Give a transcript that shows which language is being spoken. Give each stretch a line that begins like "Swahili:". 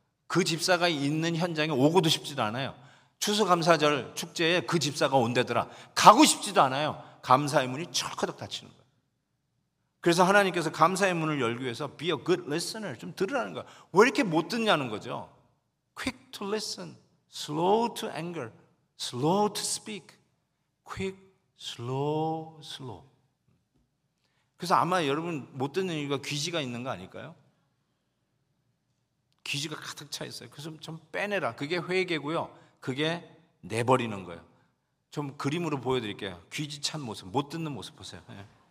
Korean: 그 집사가 있는 현장에 오고도 싶지도 않아요. 추수감사절 축제에 그 집사가 온대더라. 가고 싶지도 않아요. 감사의 문이 철커덕 닫히는 거예요. 그래서 하나님께서 감사의 문을 열기 위해서
English: be a good listener,
Korean: 좀 들으라는 거예요. 왜 이렇게 못 듣냐는 거죠.
English: Quick to listen, slow to anger, slow to speak, quick, slow, slow.
Korean: 그래서 아마 여러분 못 듣는 이유가 귀지가 있는 거 아닐까요? 귀지가 가득 차 있어요. 그래서 좀 빼내라. 그게 회개고요. 그게 내버리는 거예요. 좀 그림으로 보여드릴게요. 귀지 찬 모습, 못 듣는 모습 보세요. 네.